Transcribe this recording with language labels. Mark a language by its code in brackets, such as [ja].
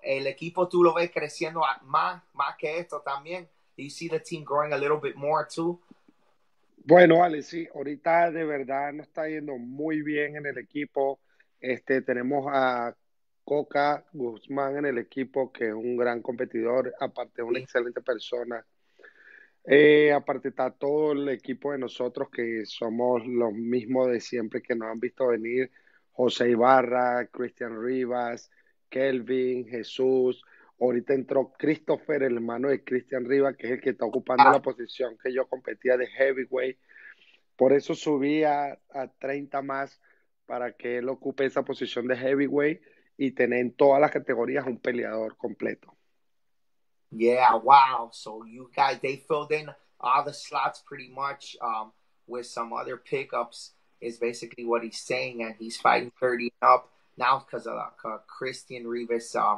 [es] El equipo tú lo ves creciendo más que esto también. [en] Do you see the team growing a little bit more too? [es] Bueno, Ale, sí. Ahorita de verdad no está yendo muy bien en el equipo. Tenemos a Coca Guzmán en el equipo, que es un gran competidor, aparte una excelente persona. Aparte está todo el equipo de nosotros, que somos los mismos de siempre que nos han visto venir. José Ibarra, Christian Rivas, Kelvin, Jesús. Ahorita entró Christopher, el hermano de Christian Rivas, que es el que está ocupando la posición que yo competía de heavyweight. Por eso subí a 30 más, para que él ocupe esa posición de heavyweight y tener en todas las categorías un peleador completo. [en] Yeah, wow. So you guys, they filled in all the slots pretty much with some other pickups is basically what he's saying. And he's fighting 30 and up now because of Christian Rivas.